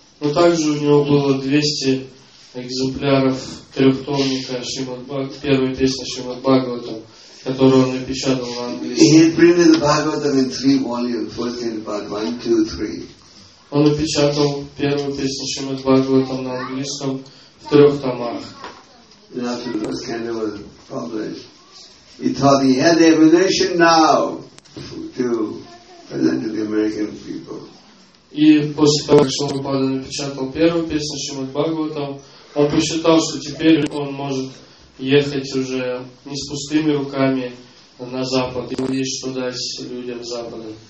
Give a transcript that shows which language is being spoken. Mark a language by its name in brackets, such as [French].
[Russian] Но также у него было 200 экземпляров трехтомника первой песни Шримад Бхагаватам, которую он напечатал в английском. Он напечатал первую песню Шримад Бхагаватам на английском в трех томах. [English] He thought he had the ammunition now to present to the American people. [Russian] И после того, как Шрупада напечатал первую песню Шримад Бхагаватам, он посчитал, что теперь он может ехать уже не с пустыми руками на Запад, и есть что дать людям Запада.